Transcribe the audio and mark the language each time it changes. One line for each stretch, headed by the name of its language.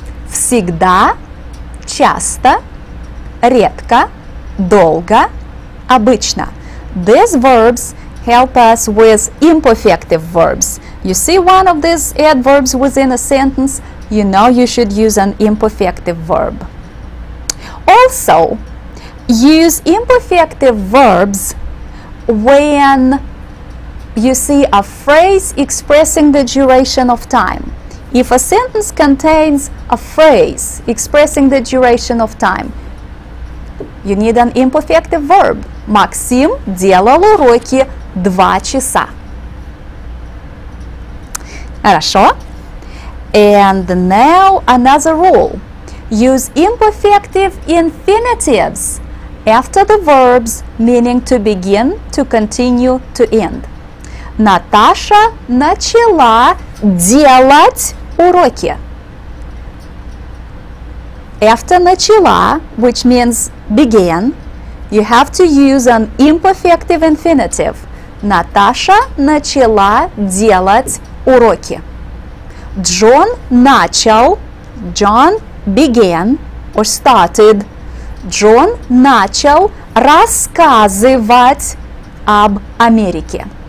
Russian: Всегда, часто, редко, долго, обычно.
English: These verbs help us with imperfective verbs. You see one of these adverbs within a sentence, you know you should use an imperfective verb. Also, use imperfective verbs when you see a phrase expressing the duration of time. If a sentence contains a phrase expressing the duration of time, you need an imperfective verb.
Russian: Максим делал уроки 2 часа. Хорошо.
English: And now another rule. Use imperfective infinitives after the verbs meaning to begin, to continue, to end.
Russian: Наташа начала делать уроки.
English: After начала, which means begin, you have to use an imperfective infinitive.
Russian: Наташа начала делать уроки. Джон начал.
English: John began or started.
Russian: Джон начал рассказывать об Америке.